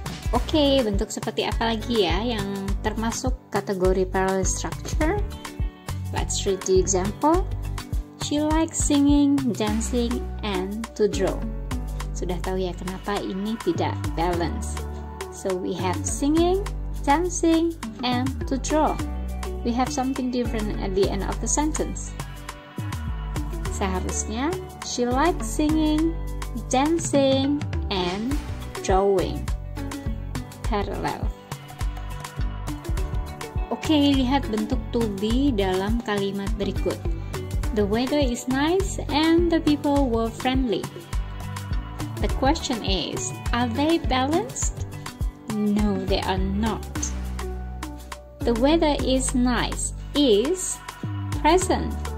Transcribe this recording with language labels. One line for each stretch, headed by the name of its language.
Indonesian: Okay, bentuk seperti apa lagi ya yang termasuk kategori parallel structure?
English: Let's read the example. She likes singing, dancing, and to draw.
Indonesian: Sudah tahu ya kenapa ini tidak balance.
English: So we have singing, dancing, and to draw. We have something different at the end of the sentence.
Indonesian: Seharusnya,
English: she likes singing, dancing, and drawing. Parallel.
Indonesian: Okay, lihat bentuk to be dalam kalimat berikut.
English: The weather is nice and the people were friendly. The question is, are they balanced? No, they are not. The weather is nice is present.